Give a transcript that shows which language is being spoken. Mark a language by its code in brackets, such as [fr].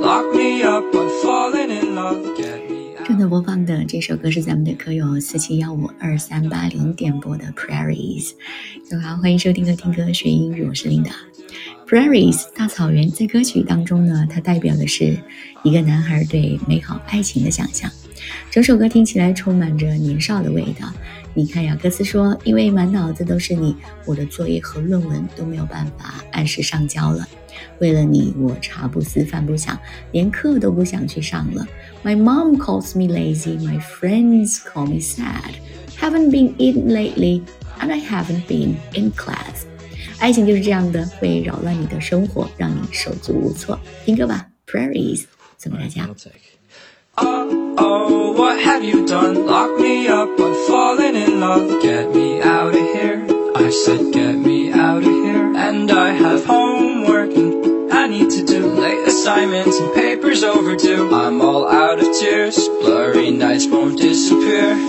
[en] Lock me up, I'm falling in love. Get me. [zh] 正在播放的这首歌是咱们的歌友4715-2380点播的 Prairies。大家好，欢迎收听歌听歌学英语，我是 Linda。Prairies 大草原，在歌曲当中呢，它代表的是一个男孩对美好爱情的想象，整首歌听起来充满着年少的味道。你看呀，歌词说，因为满脑子都是你，我的作业和论文都没有办法按时上交了，为了你我茶不思饭不想，连课都不想去上了。 [en] My mom calls me lazy, my friends call me sad, haven't been in lately, and I haven't been in class. [zh] 爱情就是这样的，会扰乱你的生活，让你手足无措。听歌吧， Prairies 送给大家。 [en] Oh, what have you done? Lock me up, I'm falling in love. Get me out of here, I said get me out of here. And I have homework and I need to do late assignments and papers overdue. I'm all out of tears, blurry nights won't disappear.